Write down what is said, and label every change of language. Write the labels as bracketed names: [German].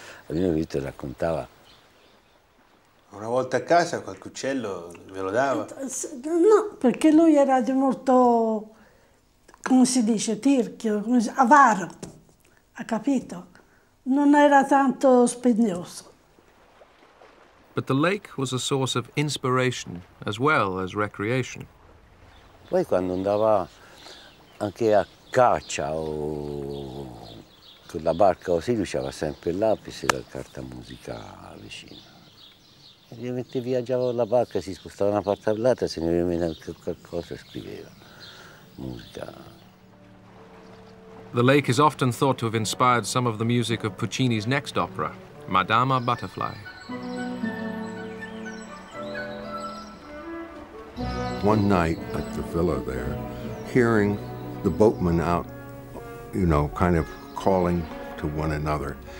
[Italian] Almeno Vito raccontava. Una volta a casa qualche uccello ve lo dava? No, perché lui era di molto, come si dice, tirchio, avaro, ha capito? Non era tanto spendioso. [English] But the lake was a source of inspiration as well as recreation. [Italian] Poi quando andava anche a caccia o con la barca o si usciva sempre il lapis e la carta musica vicino. Ovviamente viaggiava con la barca, si spostava da una parte all'altra, se ne veniva anche qualcosa scriveva musica. [English] The lake is often thought to have inspired some of the music of Puccini's next opera, Madama Butterfly. One night at the villa there, hearing the boatmen out, you know, kind of calling to one another.